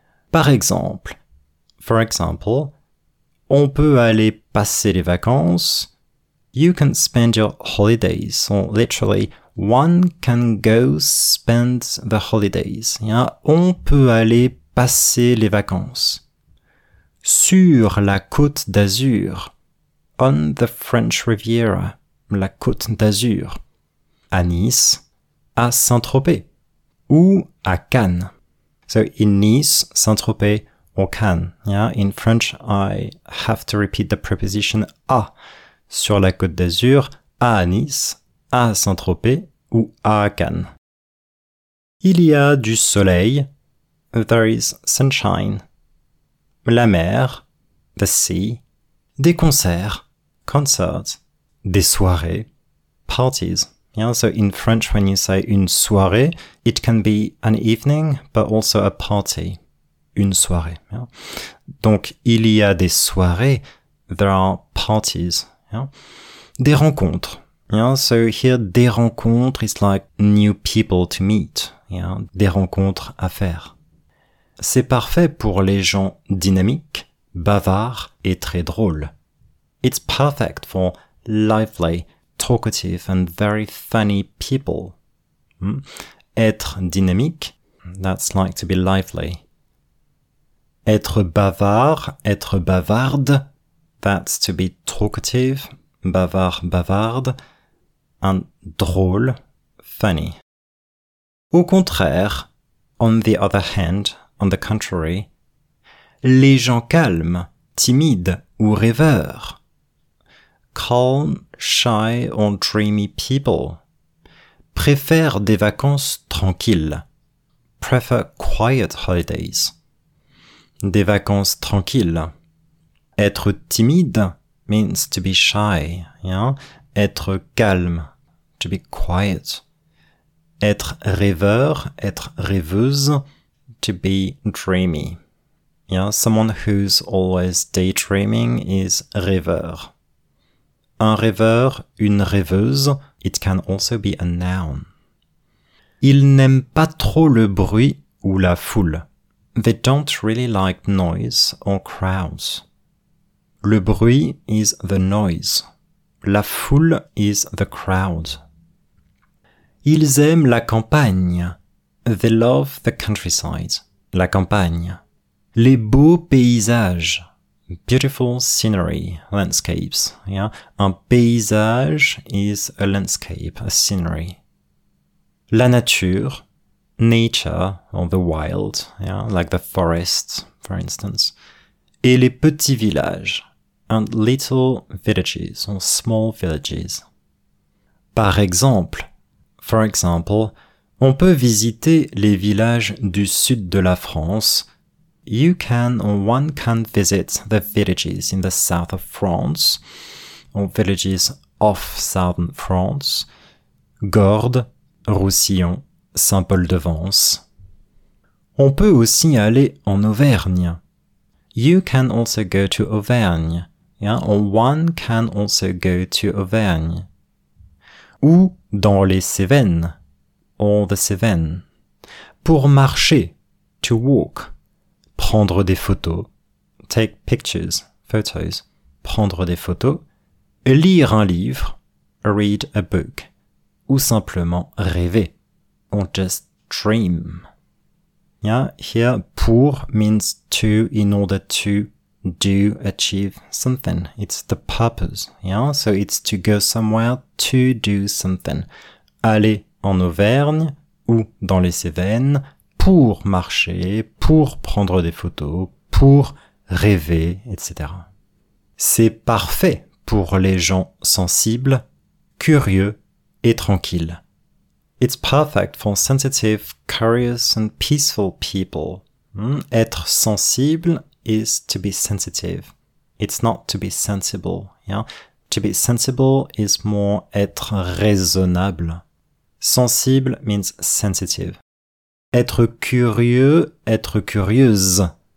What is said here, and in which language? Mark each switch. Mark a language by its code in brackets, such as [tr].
[fr] Par exemple. [en] For example, [fr] on peut aller passer les vacances. [en] You can spend your holidays. Or literally, one can go spend the holidays. Yeah? [fr] On peut aller passer les vacances. Sur la Côte d'Azur. On the French Riviera. La Côte d'Azur. À Nice. À Saint-Tropez. Ou à Cannes. [en] So, in Nice, Saint-Tropez, or Cannes. Yeah, in French, I have to repeat the preposition à. [fr] Sur la Côte d'Azur, à Nice, à Saint-Tropez ou à Cannes. Il y a du soleil. [en] There is sunshine. [fr] La mer. [en] The sea. [fr] Des concerts. [en] Concerts. [fr] Des soirées. [en] Parties. Yeah, so in French, when you say une soirée, it can be an evening, but also a party. [fr] Une soirée. Yeah. Donc, il y a des soirées. [en] There are parties. Yeah. [fr] Des rencontres. [en] Yeah, so here, des rencontres is like new people to meet. Yeah. [fr] Des rencontres à faire. C'est parfait pour les gens dynamiques, bavards et très drôles. [en] It's perfect for lively, talkative and very funny people. [fr] Être dynamique, [en] that's like to be lively. [fr] Être bavard, être bavarde, [en] that's to be talkative, bavard, bavarde, [fr] and drôle, [en] funny. [fr] Au contraire, [en] on the other hand, on the contrary, [fr] les gens calmes, timides ou rêveurs. [en] Calm, shy or dreamy people. [fr] Préfère des vacances tranquilles. [en] Prefer quiet holidays. [fr] Des vacances tranquilles. Être timide [en] means to be shy. Yeah? [fr] Être calme, [en] to be quiet. [fr] Être rêveur, être rêveuse, [en] to be dreamy. Yeah? Someone who's always daydreaming is rêveur. [fr] Un rêveur, une rêveuse. [en] It can also be a noun. [fr] Ils n'aiment pas trop le bruit ou la foule. [en] They don't really like noise or crowds. Le bruit is the noise. La foule is the crowd. [fr] Ils aiment la campagne. [en] They love the countryside. [fr] La campagne. Les beaux paysages. [en] Beautiful scenery, landscapes. Yeah. Un paysage is a landscape, a scenery. La nature, nature, or the wild. Yeah. Like the forest, for instance. [fr] Et les petits villages. [en] And little villages, or small villages. [fr] Par exemple, [en] for example, [fr] on peut visiter les villages du sud de la France. [en] You can, or one can visit the villages in the south of France, or villages of southern France. [fr] Gordes, Roussillon, Saint-Paul-de-Vence. On peut aussi aller en Auvergne. [en] You can also go to Auvergne. Yeah, or one can also go to Auvergne. [fr] Ou dans les Cévennes, [en] or the Cévennes. [fr] Pour marcher, [en] to walk. [fr] Prendre des photos, [en] take pictures, photos. [fr] Prendre des photos, lire un livre, [en] read a book. [fr] Ou simplement rêver, [en] or just dream. Yeah, here, pour means to, in order to, do, achieve something. It's the purpose, yeah? So it's to go somewhere to do something. [fr] Aller en Auvergne ou dans les Cévennes pour marcher, pour prendre des photos, pour rêver, etc. C'est parfait pour les gens sensibles, curieux et tranquilles. [en] It's perfect for sensitive, curious and peaceful people. Être sensible is to be sensitive. It's not to be sensible, yeah? To be sensible is more être raisonnable. Sensible means sensitive. [fr] Être curieux, être curieuse.